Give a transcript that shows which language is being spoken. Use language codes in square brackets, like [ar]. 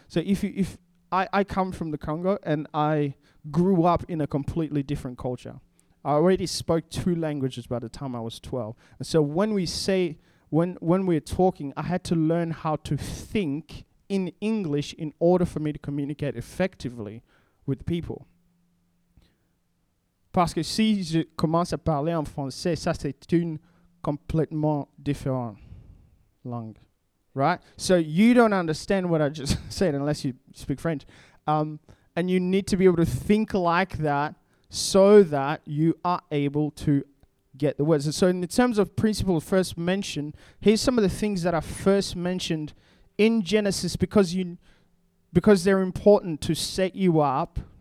[en] So if I come from the Congo and I grew up in a completely different culture. I already spoke two languages by the time I was 12. And so when we're talking, I had to learn how to think in English in order for me to communicate effectively with people. [fr] Parce que si je commence à parler en français, ça c'est une complètement différente langue, [en] right? So you don't understand what I just said unless you speak French. And you need to be able to think like that so that you are able to get the words. And so in terms of principle first mention, here's some of the things that are first mentioned in Genesis because they're important to set you up.